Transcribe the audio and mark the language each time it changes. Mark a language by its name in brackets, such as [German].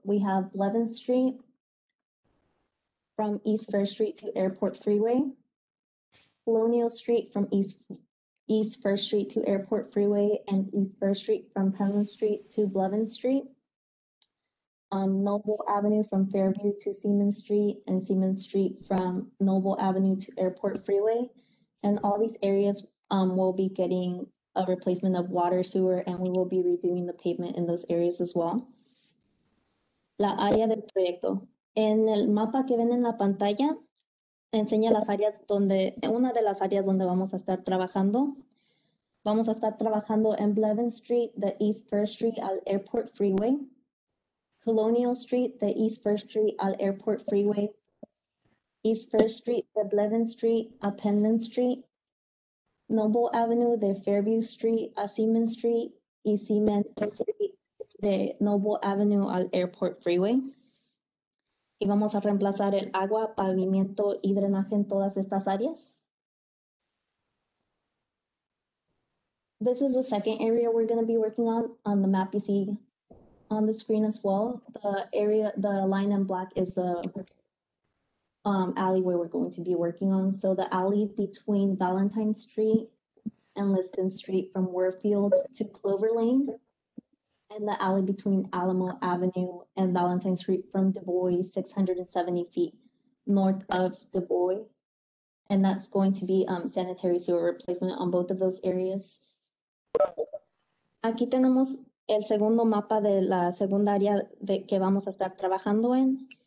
[English] We have Levin Street from East First Street to Airport Freeway, Colonial Street from East First Street to Airport Freeway, and East First Street from Penland Street to Blevins Street, Noble Avenue from Fairview to Seaman Street, and Seaman Street from Noble Avenue to Airport Freeway. And all these areas will be getting a replacement of water sewer, and we will be redoing the pavement in those areas as well. [Spanish] La área del proyecto. En el mapa que ven en la pantalla, enseña las áreas donde, una de las áreas donde vamos a estar trabajando. Vamos a estar trabajando en Blevins Street, the East First Street al Airport Freeway, Colonial Street, the East First Street al Airport Freeway, East First Street, the Blevins Street, a Penland Street, Noble Avenue, the Fairview Street, a Seaman Street, y Seaman Street, the Noble Avenue al Airport Freeway. ¿Y vamos a reemplazar el agua, pavimento y drenaje en todas estas áreas? [English] This is the second area we're going to be working on the map you see on the screen as well. The area, the line in black is the alley where we're going to be working on. So the alley between Valentine Street and Liston Street from Warfield to Clover Lane, and the alley between Alamo Avenue and Valentine Street from DuBois, 670 feet north of DuBois. And that's going to be sanitary sewer replacement on both of those areas. [Spanish] Aquí tenemos el segundo mapa de la segunda área de que vamos a estar trabajando en.